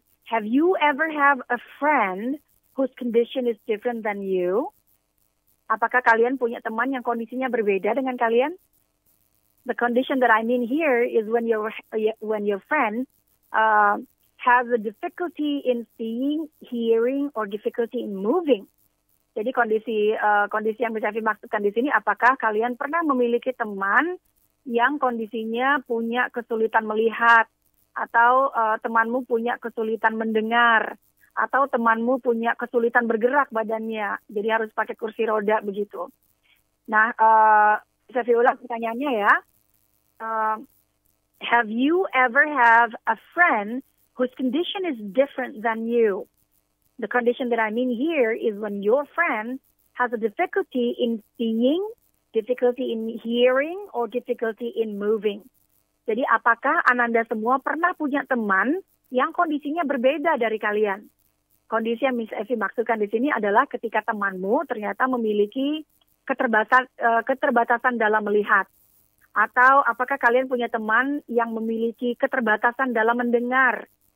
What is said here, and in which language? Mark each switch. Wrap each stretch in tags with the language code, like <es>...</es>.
<en>Have you ever have a friend whose condition is different than you?</en> <id>Apakah kalian punya teman yang kondisinya berbeda dengan kalian?</id> <en>The condition that I mean here is when your friend has a difficulty in seeing, hearing, or difficulty in moving.</en> <id>Jadi kondisi kondisi yang Miss Evie maksudkan di sini, apakah kalian pernah memiliki teman yang kondisinya punya kesulitan melihat, atau temanmu punya kesulitan mendengar, atau temanmu punya kesulitan bergerak badannya, jadi harus pakai kursi roda begitu. Nah, Miss Evie ulang pertanyaannya ya.</id> <en>Have you ever have a friend whose condition is different than you? The condition that I mean here is when your friend has a difficulty in seeing, difficulty in hearing, or difficulty in moving.</en> <id>Jadi apakah Ananda semua pernah punya teman yang kondisinya berbeda dari kalian? Kondisi yang Miss Evie maksudkan di sini adalah ketika temanmu ternyata memiliki keterbatasan dalam melihat. Atau apakah kalian punya teman yang memiliki keterbatasan dalam mendengar?</id>